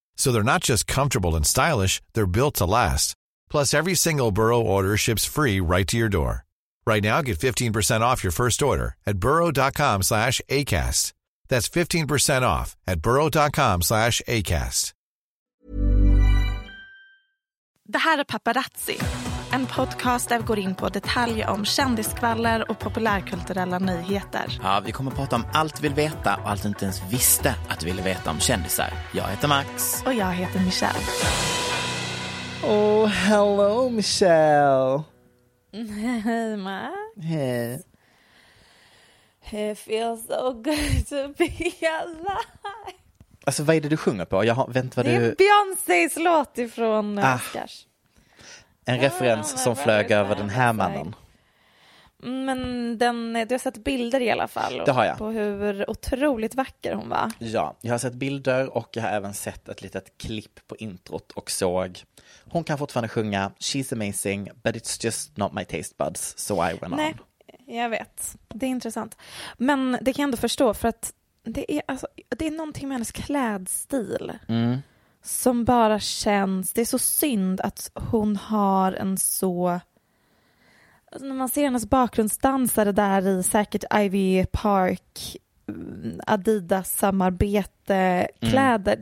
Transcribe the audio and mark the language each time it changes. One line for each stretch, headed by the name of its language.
English: So they're not just comfortable and stylish, they're built to last. Plus, every single Burrow order ships free right to your door. Right now, get 15% off your first order at burrow.com/ACAST. That's 15% off at burrow.com/ACAST.
Swedish: Det här är Paparazzi, en podcast där vi går in på detaljer om kändiskvaller och populärkulturella nyheter. Ja, vi kommer att prata om allt vi vill veta och allt vi inte ens visste att vi ville veta om kändisar. Jag heter Max. Och jag heter Michelle.
English: Oh, hello Michelle.
Swedish: Hej Max. Hej.
English: It feels so good to be alive.
Swedish: Alltså, vad är det du sjunger på? Jag har, vänt, vad det du... är Beyoncés låt ifrån Oscars. En referens som flög över den här mannen. Men du har sett bilder i alla fall. Det har jag. På hur otroligt vacker hon var. Ja, jag har sett bilder och jag har även sett ett litet klipp på introt och såg. Hon kan fortfarande sjunga,
English: she's amazing, but it's just not my taste buds, so I went
Swedish: on. Nej, jag vet. Det är intressant. Men det kan jag ändå förstå, för att Det är någonting med hennes klädstil som bara känns... Det är så synd att hon har en så... Alltså när man ser hennes bakgrundsdansare där i säkert Ivy Park Adidas-samarbete kläder.